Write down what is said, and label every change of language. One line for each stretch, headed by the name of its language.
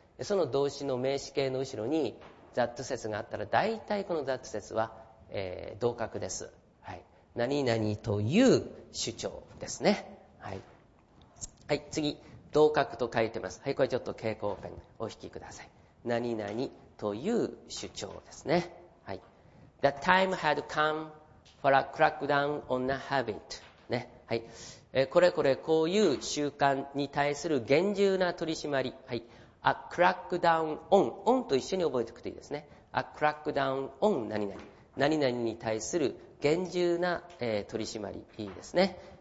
Japanese: その動詞の名詞形の後ろに that 説があったら大体この that 説は、同格です。はい。何々という主張ですね。はい。はい、次。同格と書いてます。はい、これちょっと蛍光ペンお引きください。何々という主張ですね。はい。
English: The time had come for a crackdown on a habit.
Japanese: ね。はい。これ、こういう習慣に対する厳重な取り締まり。
English: はい。A crackdown on。
Japanese: on と一緒に覚えておくといいですね。
English: A crackdown on 何々。
Japanese: 何々に対する厳重な、取り締まり。いいですね。